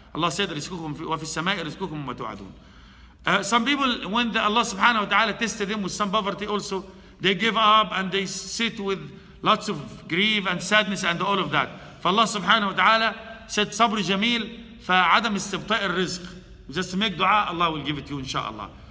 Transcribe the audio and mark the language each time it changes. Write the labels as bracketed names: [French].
[English] Allah said, [Arabic] رزقكم وفي السماء رزقكم وما توعدون. [English] Some people, when Allah subhanahu wa ta'ala tested them with some poverty also, they give up and they sit with lots of grief and sadness and all of that. [Arabic] فالله subhanahu wa ta'ala said, صبر جميل فعدم استبطاء الرزق. [English] Just make dua, Allah will give it to you, inshallah.